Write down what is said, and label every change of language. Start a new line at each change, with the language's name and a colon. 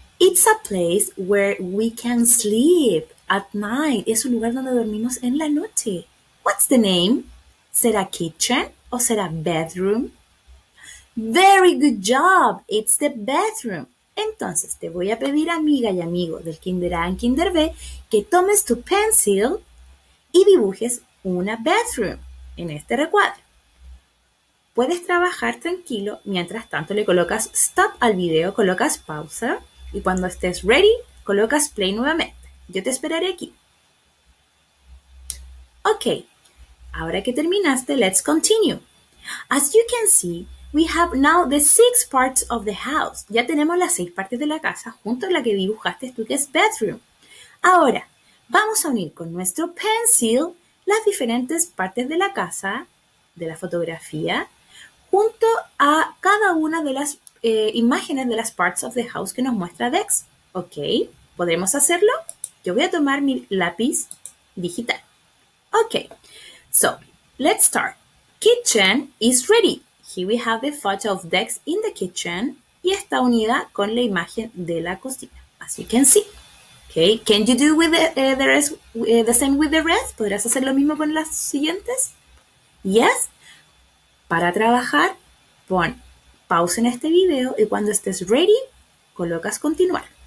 English: It's a place where we can sleep at night.
Spanish: Es un lugar donde dormimos en la noche.
English: What's the name?
Spanish: ¿Será kitchen o será bedroom?
English: Very good job. It's the bedroom.
Spanish: Entonces, te voy a pedir, amiga y amigo del Kinder A and Kinder B, que tomes tu pencil y dibujes una bathroom en este recuadro. Puedes trabajar tranquilo, mientras tanto le colocas stop al video, colocas pausa y cuando estés ready, colocas play nuevamente. Yo te esperaré aquí.
English: Ok,
Spanish: ahora que terminaste,
English: let's continue. As you can see, We have now the six parts of the house.
Spanish: Ya tenemos las seis partes de la casa junto a la que dibujaste tú, que es bedroom. Ahora, vamos a unir con nuestro pencil las diferentes partes de la casa, de la fotografía, junto a cada una de las imágenes de las
English: parts of the house
Spanish: que nos muestra Dex. ¿Ok? ¿Podremos hacerlo? Yo voy a tomar mi lápiz digital. Ok.
English: So, let's start. Kitchen is ready. Here we have the photo of Dex in the kitchen
Spanish: y está unida con la imagen de la cocina.
English: As you can see. Okay, can you do with the same with the rest?
Spanish: ¿Podrás hacer lo mismo con las siguientes? Yes. Para trabajar, pon pausa en este video y cuando estés ready, colocas continuar.